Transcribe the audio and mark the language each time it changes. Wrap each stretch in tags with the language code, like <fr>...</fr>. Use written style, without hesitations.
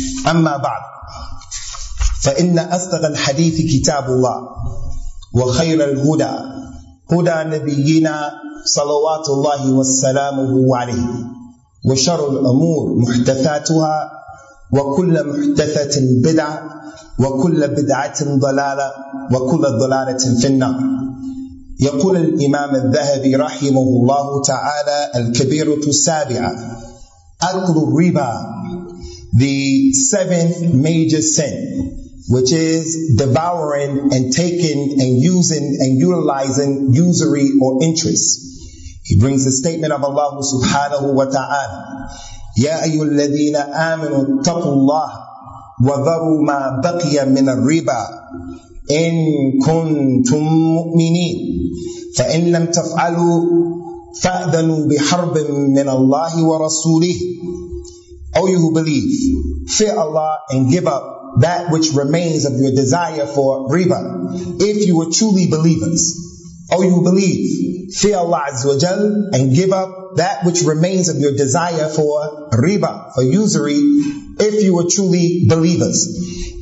<ar>أما بعد، فإن أصدق الحديث كتاب الله وخير الهدى هدى نبينا صلوات الله وسلامه عليه، وشر الأمور محدثاتها وكل محدثة بدعة وكل بدعة ضلالة وكل ضلالة في النار. يقول الإمام الذهبي رحمه الله تعالى الكبيرة السابعة أكل الربا،</ar> <en>the seventh major sin, which is devouring and taking and using and utilizing usury or interest. He brings the statement of Allah</en> <ar>سبحانه وتعالى: يا أيها الذين آمنوا اتقوا الله وذروا ما بقي من الربا إن كنتم مؤمنين فإن لم تفعلوا فأذنوا بحرب من الله ورسوله.</ar> <en>All you who believe, fear Allah and give up that which remains of your desire for riba. If you are truly believers, all you who believe, fear Allah Azza wa Jal and give up that which remains of your desire for riba, for usury, if you are truly believers.</en>